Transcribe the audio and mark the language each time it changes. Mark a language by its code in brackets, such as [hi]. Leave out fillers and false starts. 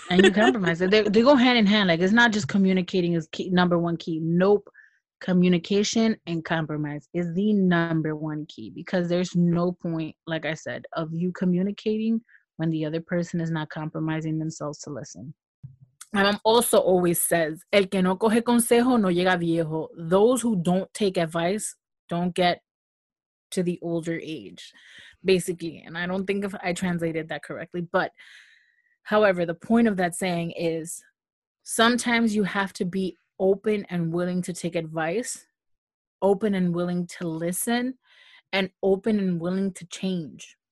[en] And you compromise. They go hand in hand. Like, it's not just communicating is key, number one key. Nope. Communication and compromise is the number one key, because there's no point, like I said, of you communicating when the other person is not compromising themselves to listen. My mom also always says, [es] el que no coge consejo no llega viejo. [en] Those who don't take advice don't get to the older age, basically. And I don't think if I translated that correctly, but however, the point of that saying is sometimes you have to be open and willing to take advice, open and willing to listen, and open and willing to change.